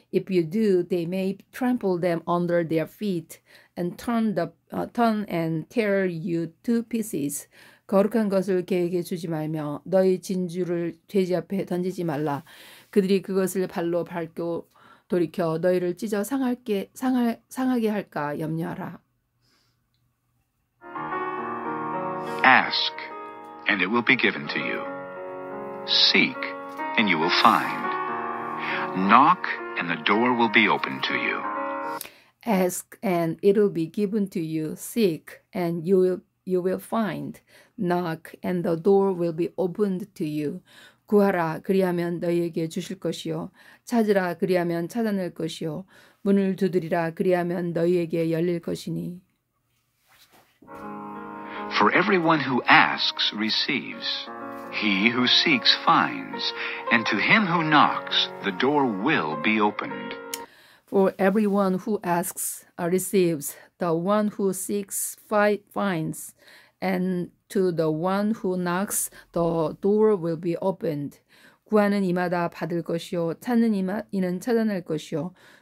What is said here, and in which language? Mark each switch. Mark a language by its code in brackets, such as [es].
[en] If you do, they may trample them under their feet and turn and tear you to pieces. [ko] 거룩한 것을 개에게 주지 말며 너희 진주를 돼지 앞에 던지지 말라. 그들이 그것을 발로 밟고 돌이켜 너희를 찢어 상하게 할까 염려하라. [en] Ask, and it will be given to you. Seek, and you will find. Knock, and the door will be opened to you. Ask, and it will be given to you. Seek, and you will find. Knock, and the door will be opened to you. [ko] 구하라, 그리하면 너희에게 주실 것이요. 찾으라, 그리하면 찾아낼 것이요. 문을 두드리라, 그리하면 너희에게 열릴 것이니. [en] For everyone who asks receives. He who seeks finds. And to him who knocks, the door will be opened. For everyone who asks receives. The one who seeks finds. And to the one who knocks, the door will be opened. [ko] 구하는 이마다 받을 것이요. 찾는 이는 찾아낼 것이요.